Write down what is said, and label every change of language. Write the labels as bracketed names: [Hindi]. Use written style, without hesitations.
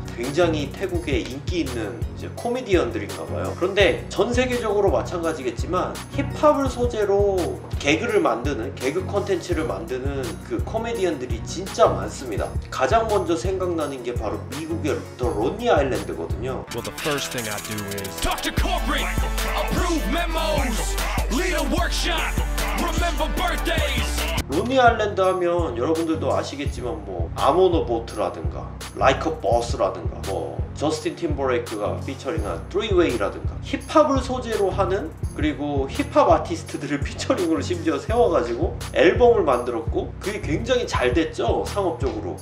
[Korean] 굉장히 태국에 인기 있는 이제 코미디언들인가 봐요. 그런데 전 세계적으로 마찬가지겠지만 힙합을 소재로 개그를 만드는, 개그 콘텐츠를 만드는 그 코미디언들이 진짜 많습니다. 가장 먼저 생각나는 게 바로 미국의 더 론니 아일랜드거든요. [English] Well, the first thing I do is talk to corporate, approve memos, lead a workshop, remember birthdays. [Korean] 로니 아일랜드 하면 여러분들도 아시겠지만 뭐 아모노 보트라든가 라이커 버스라든가 뭐 저스틴 팀버레이크가 피처링한 3웨이라든가 힙합을 소재로 하는 그리고 힙합 아티스트들을 피처링으로 심지어 세워가지고 앨범을 만들었고 그게 굉장히 잘 됐죠, 상업적으로.